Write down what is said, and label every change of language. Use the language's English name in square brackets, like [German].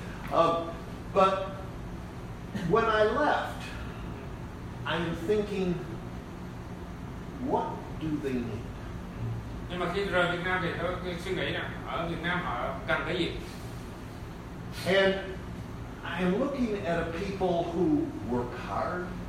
[English] But when I left, I'm thinking, what do they need? [Vietnamese] Nhưng mà khi rời Việt Nam thì tôi suy nghĩ là ở Việt Nam họ cần cái gì? [English] And I'm looking at a people who work hard.